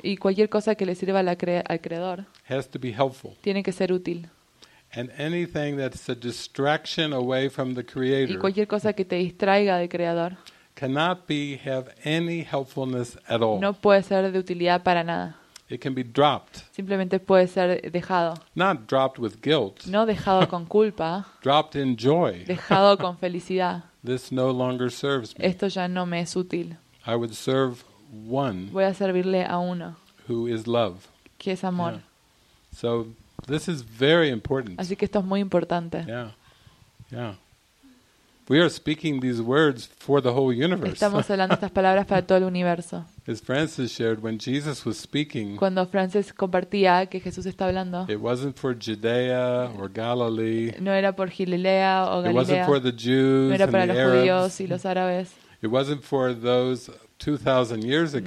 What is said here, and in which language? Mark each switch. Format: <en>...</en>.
<es>y cualquier cosa que le sirva al creador</es> <en>has to be helpful.</en> <es>Tiene que ser útil.</es> <en>And anything that's a distraction away from the creator</en> <es>y cualquier cosa que te distraiga del creador</es> <en>cannot be have any helpfulness at all.</en> <es>No puede ser de utilidad para nada.</es> <en>It can be dropped.</en> <es>Simplemente puede ser dejado.</es> <en>Not dropped with guilt.</en> <es>No dejado con culpa.</es> <en>Dropped in joy.</en> <es>Dejado con felicidad.</es> <en>This no longer serves me.</en> <es>Esto ya no me es útil.</es> <en>I would serve one.</en> <es>Voy a servirle a uno.</es> <en>Who is love.</en> <es>Que es amor. Yeah.</es> <en>So this is very important.</en> <es>Así que esto es muy importante.</es> <en>Yeah. Yeah. We are speaking these words for the whole universe.</en> <es>Estamos hablando estas palabras para todo el universo.</es> <en>As Francis shared when Jesus was speaking.</en> <es>Cuando Francis compartía que Jesús está hablando.</es> <en>It wasn't for Judea or Galilee.</en> <es>No era por Galilea o Galilea.</es> <en>It wasn't for the Jews</en> <es>no era para</es> <en>and the</en> <es>los</es> <en>Arabs.</en> <es>Judíos y los árabes.</es> <en>It wasn't for those 2000 years ago.</en>